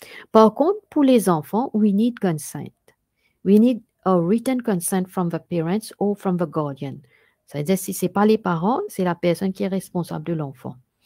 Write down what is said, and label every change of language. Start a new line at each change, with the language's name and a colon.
French: Par contre, pour les enfants,
English: we need consent. We need a written consent from the parents or from the guardian.
French: C'est-à-dire, si ce n'est pas les parents, c'est la personne qui est responsable de l'enfant.